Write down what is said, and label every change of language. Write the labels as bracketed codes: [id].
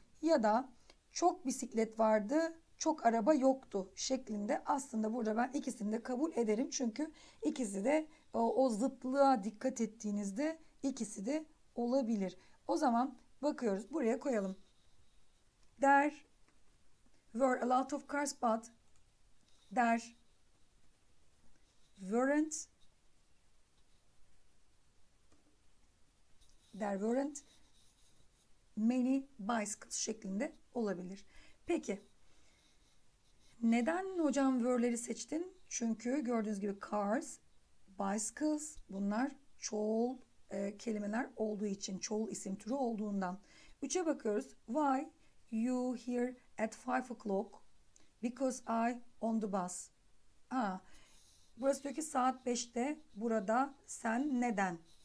[tr] Ya da çok bisiklet vardı, çok araba yoktu şeklinde. Aslında burada ben ikisini de kabul ederim. Çünkü ikisi de o zıtlığa dikkat ettiğinizde ikisi de olabilir. O zaman bakıyoruz, buraya koyalım. [en] There were a lot of cars, but there weren't. There weren't many bicycles [tr] şeklinde olabilir. Peki, neden hocam were'leri seçtin? Çünkü gördüğünüz gibi cars, bicycles, bunlar çoğul kelimeler olduğu için, çoğul isim türü olduğundan. 3'e bakıyoruz. [en] Why? You here at 5 o'clock because I on the bus. [tr] Burası diyor ki saat 5'te burada sen neden?